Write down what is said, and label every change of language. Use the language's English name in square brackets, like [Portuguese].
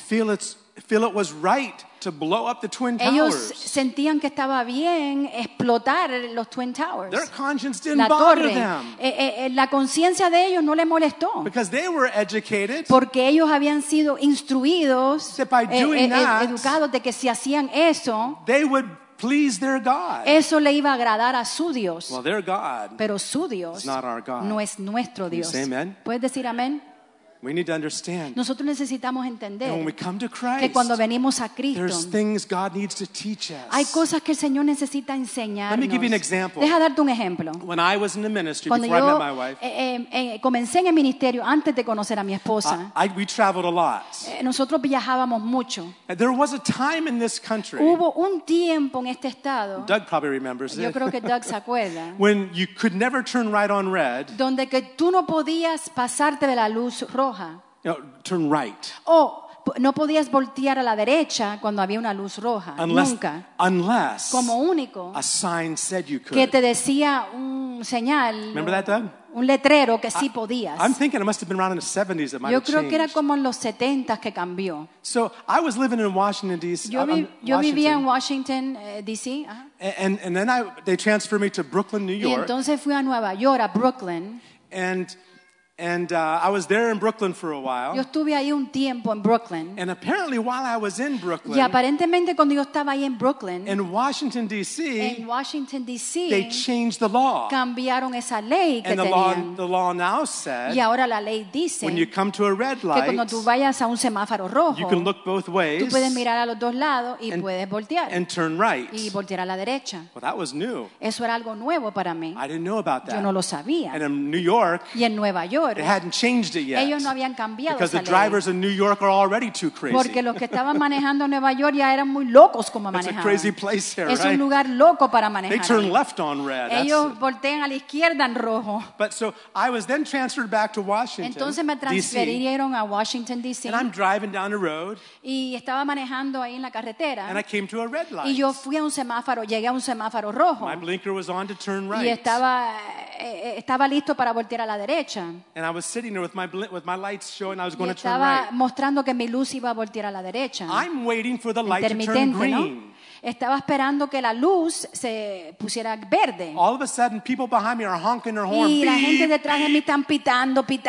[English] feel it was right to blow up the Twin Towers. [Spanish] Ellos sentían que estaba bien explotar los Twin Towers. [English] Their conscience didn't bother them. [Spanish] La conciencia de ellos no le molestó. [English] Because they were educated. [Spanish] Porque ellos habían sido instruidos. [English] That by doing that, [Spanish] educados de que si hacían eso, [English] they would please their God. [Spanish] Eso le iba a agradar a su Dios. [English] Well, their God. [Spanish] Pero su Dios [English] is not our God. [Spanish] No es nuestro Dios. [English] Can you say amen? [Spanish] ¿Puedes decir amén? [English] We need to understand. [Spanish] Nosotros necesitamos entender [English] when we come to Christ, [Spanish] que cuando venimos a Cristo, [English] there's things God needs to teach us. [Spanish] Hay cosas que el Señor necesita enseñarnos. [English] Let me give you an example. [Spanish] Deja darte un ejemplo. [English] When I was in the ministry, [Spanish] cuando [English] before [Spanish] yo, [English] I met my wife, [Spanish] comencé en el ministerio antes de conocer a mi esposa. [English] We traveled a lot. [Spanish] Nosotros viajábamos mucho. [English] There was a time in this country. [Spanish] Hubo un tiempo en este estado. [English] Doug probably remembers [Spanish] yo [English] it. [Spanish] Yo creo que Doug se acuerda. [English] When you could never turn right on red. [Spanish] Donde que tú no podías pasarte de la luz roja. [English] No, turn right. [Spanish] Oh, no podías voltear a la derecha cuando había una luz roja. [English] Unless, [Spanish] nunca. [English] Unless [Spanish] como único. [English] A sign said you could. [Spanish] Que te decía un señal. [English] Remember that, Doug? [Spanish] Un letrero que sí podías. [English] I'm thinking it must have been around in the 70s that might [Spanish] yo [English] have [Spanish] creo [English] changed. [Spanish] Que era como en los 70s que cambió. [English] So I was living in Washington, D.C. [Spanish] Yo vivía en Washington, D.C. Uh-huh. [English] And then they transferred me to Brooklyn, New York. [Spanish] Y entonces fui a Nueva York, a Brooklyn. [English] And I was there in Brooklyn for a while. [Spanish] Yo estuve ahí un tiempo en Brooklyn. [English] And apparently while I was in Brooklyn. [Spanish] Y aparentemente cuando yo estaba ahí en Brooklyn. [English] In Washington, D.C. [Spanish] En Washington, D.C. [English] They changed the law. [Spanish] Cambiaron esa ley que tenían. [English] And the law now said. [Spanish] Y ahora la ley dice. [English] When you come to a red light. [Spanish] Que cuando tú vayas a un semáforo rojo. [English] You can look both ways. [Spanish] Tú puedes mirar a los dos lados y puedes voltear. [English] And turn right. [Spanish] Y voltear a la derecha. [English] Well, that was new. [Spanish] Eso era algo nuevo para mí. [English] I didn't know about that. [Spanish] Yo no lo sabía. [English] And in New York. [Spanish] Y en Nueva York. Señor. [English] They hadn't changed it yet. [Spanish] Ellos no habían cambiado [English] because [Spanish] esa [English] the drivers [Spanish] ley. [English] In New York are already too crazy. [Spanish] Porque los que estaban manejando Nueva York ya eran muy locos como manejaban. [English] It's a crazy place here, [Spanish] es [English] right? [Spanish] Es un lugar loco para manejar. [English] They turn left on red. [Spanish] Ellos voltean a la izquierda en rojo. [English] But so I was then transferred back to Washington. [Spanish] Entonces me transferieron [English] DC, [Spanish] a Washington D.C. [English] And I'm driving down the road. [Spanish] Y estaba manejando ahí en la carretera. [English] And I came to a red light. [Spanish] Y yo fui a un semáforo, llegué a un semáforo rojo. [English] My blinker was on to turn right. [Spanish] Y estaba listo para voltear a la derecha. [English] And I was sitting there with my lights showing I was going to turn right. [Spanish] Y estaba mostrando que mi luz iba a voltear a la derecha. [English] I'm waiting for the light to turn green. [Spanish] ¿No? Estaba esperando que la luz se pusiera verde. [English] All of a sudden, people behind me are honking their horn. [Spanish] Y la gente detrás de mí están pitando.